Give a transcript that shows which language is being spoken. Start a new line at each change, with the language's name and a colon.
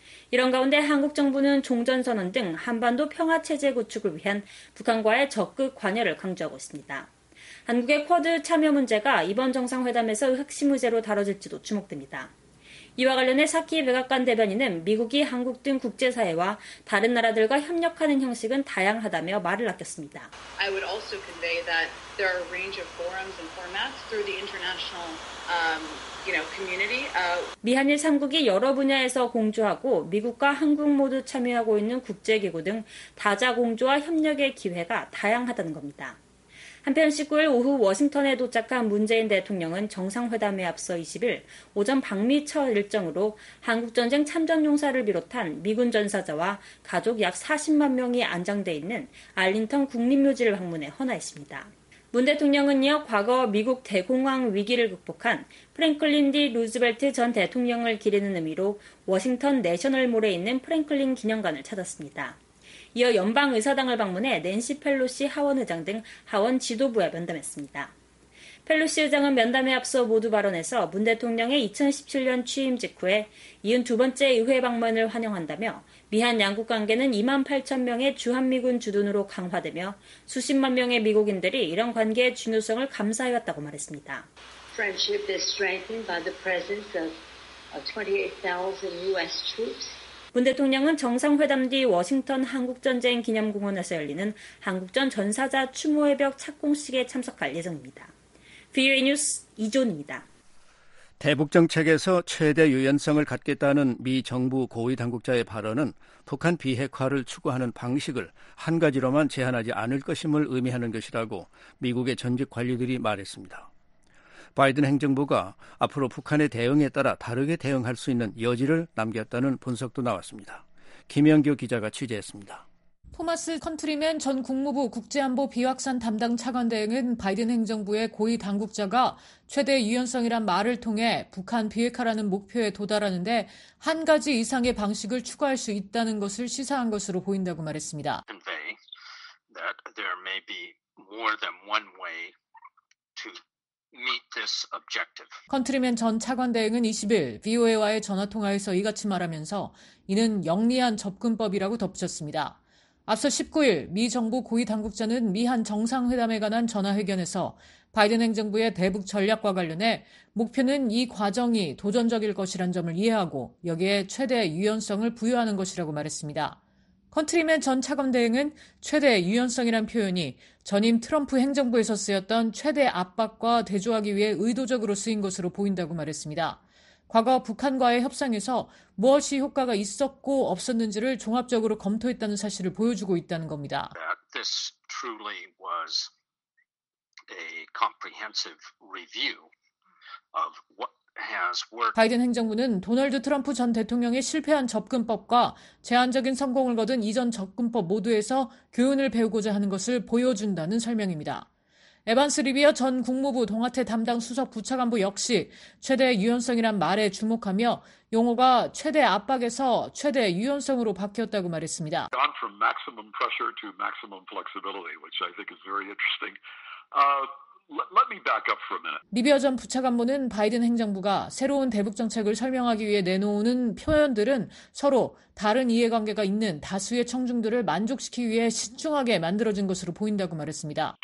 Korean: 이런 가운데 한국 정부는 종전선언 등 한반도 평화체제 구축을 위한 북한과의 적극 관여를 강조하고 있습니다. 한국의 쿼드 참여 문제가 이번 정상회담에서 핵심 의제로 다뤄질지도 주목됩니다. 이와 관련해 사키 백악관 대변인은 미국이 한국 등 국제사회와 다른 나라들과 협력하는 형식은 다양하다며 말을 아꼈습니다.
English: I would also convey that there are a range of forums and formats through the international community.
Korean: 미한일 3국이 여러 분야에서 공조하고 미국과 한국 모두 참여하고 있는 국제기구 등 다자 공조와 협력의 기회가 다양하다는 겁니다. 한편 19일 오후 워싱턴에 도착한 문재인 대통령은 정상회담에 앞서 20일 오전 방미 첫 일정으로 한국전쟁 참전용사를 비롯한 미군 전사자와 가족 약 40만 명이 안장돼 있는 알링턴 국립묘지를 방문해 헌화했습니다. 문 대통령은 이어 과거 미국 대공황 위기를 극복한 프랭클린 D. 루즈벨트 전 대통령을 기리는 의미로 워싱턴 내셔널몰에 있는 프랭클린 기념관을 찾았습니다. 이어 연방의사당을 방문해 낸시 펠로시 하원의장 등 하원 지도부와 면담했습니다. 펠로시 의장은 면담에 앞서 모두 발언에서 문 대통령의 2017년 취임 직후에 이은 두 번째 의회 방문을 환영한다며 미한 양국 관계는 2만 8천 명의 주한미군 주둔으로 강화되며 수십만 명의 미국인들이 이런 관계의 중요성을 감사해왔다고 말했습니다.
English: Friendship is strengthened by the presence of 28,000 U.S. troops.
Korean: 문 대통령은 정상회담 뒤 워싱턴 한국전쟁 기념공원에서 열리는 한국전 전사자 추모회벽 착공식에 참석할 예정입니다. VOA 뉴스 이존입니다. 대북정책에서 최대 유연성을 갖겠다는 미 정부 고위 당국자의 발언은 북한 비핵화를 추구하는 방식을 한 가지로만 제한하지 않을 것임을 의미하는 것이라고 미국의 전직 관료들이 말했습니다. 바이든 행정부가 앞으로 북한의 대응에 따라 다르게 대응할 수 있는 여지를 남겼다는 분석도 나왔습니다. 김영규 기자가 취재했습니다. 토마스 컨트리맨 전 국무부 국제안보 비확산 담당 차관 대행은 바이든 행정부의 고위 당국자가 최대 유연성이란 말을 통해 북한 비핵화라는 목표에 도달하는데 한 가지 이상의 방식을 추가할 수 있다는 것을 시사한 것으로 보인다고 말했습니다.
English: Convey that there may be more than one way to meet this objective.
Korean: 컨트리맨 전 차관 대행은 20일 VOA와의 전화통화에서 이같이 말하면서 이는 영리한 접근법이라고 덧붙였습니다. 앞서 19일 미 정부 고위 당국자는 미한 정상회담에 관한 전화회견에서 바이든 행정부의 대북 전략과 관련해 목표는 이 과정이 도전적일 것이란 점을 이해하고 여기에 최대 유연성을 부여하는 것이라고 말했습니다. 컨트리맨 전 차관 대행은 최대 유연성이란 표현이 전임 트럼프 행정부에서 쓰였던 최대 압박과 대조하기 위해 의도적으로 쓰인 것으로 보인다고 말했습니다. 과거 북한과의 협상에서 무엇이 효과가 있었고 없었는지를 종합적으로 검토했다는 사실을 보여주고 있다는 겁니다.
English: This truly was a comprehensive review of what
Korean: 바이든 행정부는 도널드 트럼프 전 대통령의 실패한 접근법과 제한적인 성공을 거둔 이전 접근법 모두에서 교훈을 배우고자 하는 것을 보여준다는 설명입니다. 에반스 리비어 전 국무부 동아태 담당 수석 부차관보 역시 최대 유연성이란 말에 주목하며 용어가 최대 압박에서 최대 유연성으로 바뀌었다고 말했습니다.
English: Gone from maximum pressure to maximum flexibility, which I think is very interesting. Let me back up for a minute.
Korean: 리비어 전 부차관보는 바이든 행정부가 새로운 대북 정책을 설명하기 위해 내놓는 표현들은 서로 다른 이해관계가 있는 다수의 청중들을 만족시키기 위해 신중하게 만들어진 것으로 보인다고 말했습니다.